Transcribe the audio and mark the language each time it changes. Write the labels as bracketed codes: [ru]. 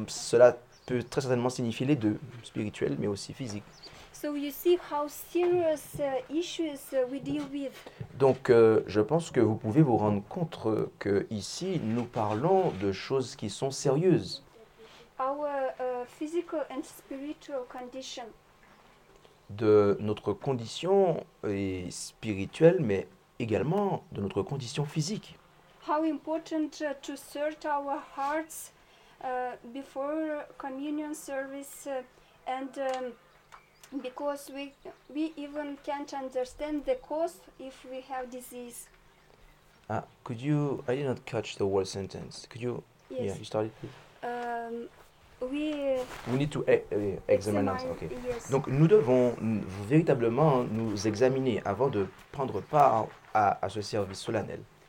[fr] Cela peut très certainement signifier les deux, spirituel mais aussi physique. [en] So you see how serious issues we deal with. [fr] Donc, je pense que vous pouvez vous rendre compte que ici nous parlons de choses qui sont sérieuses. [en] Our physical and spiritual condition. [fr] de notre condition spirituelle, mais également de notre condition physique. [en] How important to search our hearts before communion service and because we even can't understand the cause if we have disease. Could you, I did not catch the whole sentence. Could you, yes. Yeah, you start it, please. We need to examine us. Okay. Yes. [fr] Donc nous devons véritablement nous examiner avant de prendre part à ce service solennel.